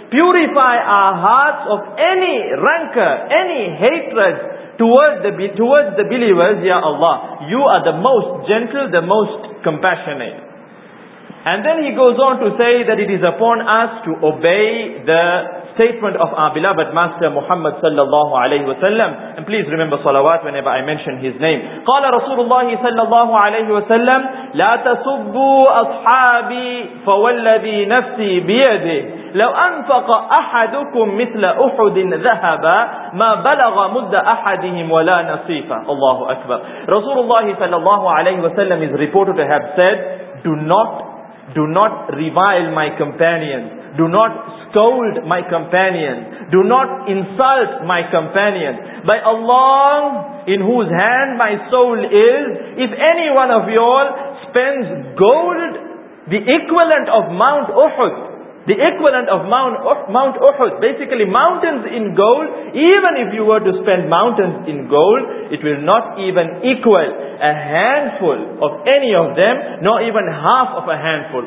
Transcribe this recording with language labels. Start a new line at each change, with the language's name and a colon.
English: Purify our hearts of any rancor, any hatred towards the believers, Ya Allah. You are the most gentle, the most compassionate. And then he goes on to say that it is upon us to obey the statement of our beloved Master Muhammad sallallahu alayhi wa sallam. And please remember salawat whenever I mention his name.
Arabic: Qala Rasulullah sallallahu alayhi wa sallam, لا تسبوا أصحابي فوالذي نفسي بيده لو أنفق أحدكم مثل أحد ذهبا ما بلغ مد أحدهم ولا نصيفا. الله أكبر.
English: Rasulullah sallallahu alayhi wa sallam is reported to have said, do not revile my companions, do not scold my companions, do not insult my companions. By Allah, in whose hand my soul is, if any one of you all spends gold, the equivalent of Mount Uhud, the equivalent of Mount Uhud, basically mountains in gold, even if you were to spend mountains in gold, it will not even equal a handful of any of them, nor even half of a handful.